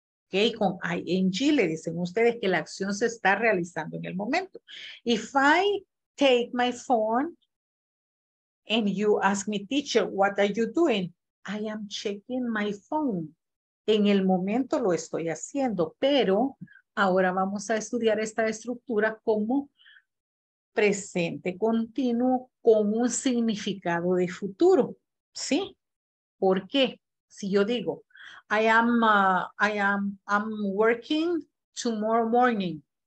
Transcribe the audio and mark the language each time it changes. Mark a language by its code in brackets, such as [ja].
[es] Ok, con ing le dicen ustedes que la acción se está realizando en el momento. [en] If I take my phone and you ask me, teacher, what are you doing? I am checking my phone. [es] En el momento lo estoy haciendo, pero ahora vamos a estudiar esta estructura como presente continuo con un significado de futuro. ¿Sí? ¿Por qué? Si yo digo, [en] I'm working tomorrow morning.